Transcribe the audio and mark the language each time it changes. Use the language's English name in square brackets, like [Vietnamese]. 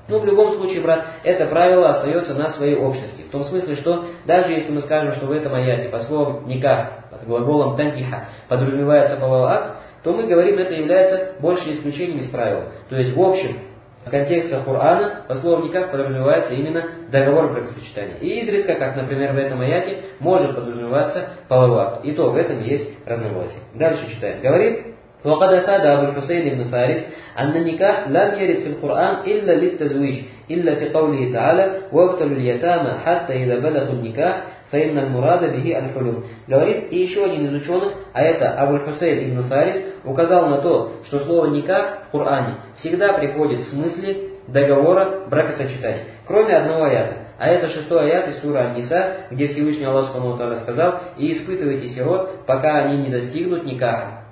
[Russian] Ну, в любом случае, брат, это правило остается на своей общности. В том смысле, что даже если мы скажем, что в этом аяте по словам никах, под глаголом тантиха, подразумевается половой акт, то мы говорим, это является больше исключением из правил. То есть, в общем, в контексте Корана по словам никах подразумевается именно договор бракосочетания. И изредка, как, например, в этом аяте, может подразумеваться половой акт. И то в этом есть разногласие. Дальше читаем. Говорит... [Arabic] وقد افاد ابو الحسين بن فارس ان النكاح لم يرد في القران الا للتزويج الا في قوله تعالى وابتلوا اليتامى حتى اذا بلغوا النكاح فان المراد به الحلم. [Russian] Говорит, и еще один из ученых, а это ابو الحسين بن فارس, указал на то, что слово никах в Коране всегда приходит в смысле договора бракосочетания, кроме одного аята. А это шестой аят из суры Ан-Ниса, где Всевышний Аллах Субхану ва Тааля сказал: «И испытывайте сирот, пока они не достигнут никаха».